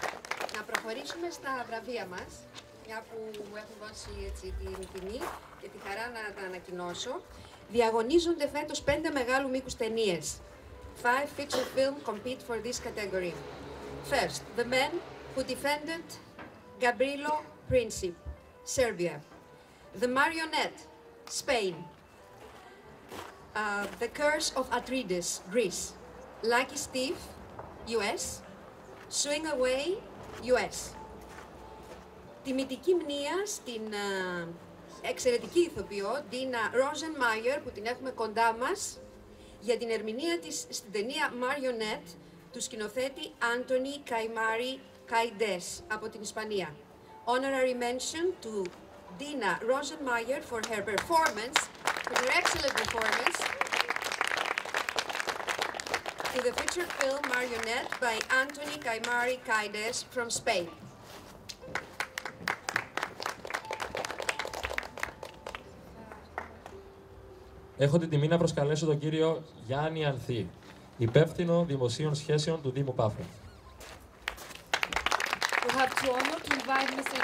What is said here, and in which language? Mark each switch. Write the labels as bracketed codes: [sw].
[el] Λοιπόν, να προχωρήσουμε στα βραβεία μας, μια που μου έχουν δώσει έτσι την τιμή και τη χαρά να τα ανακοινώσω. Διαγωνίζονται φέτος 5 μεγάλου μήκους ταινίες. [en] 5 feature films compete for this category. First, The Man Who Defended Gabrielo Princip, Serbia. The Marionette, Spain. The Curse of Atreides, Greece. Lucky Steve, US. Swing Away, US. [el] Τιμητική μνεία στην εξαιρετική ηθοποιό, Dina Rosenmeier, που την έχουμε κοντά μας, για την ερμηνεία της στην ταινία Marionette, του σκηνοθέτη Anthony Caimari Caides, από την Ισπανία. [en] Honorary mention to Dina Rosenmeier for her performance, for her excellent performance, to the feature film Marionette by Anthony Caimari Caides from Spain. [el] Έχω την τιμή να προσκαλέσω τον κύριο Γιάννη Ανθή, υπεύθυνο δημοσίων σχέσεων του Δήμου Πάφου. [en] We have the honor to invite Mr.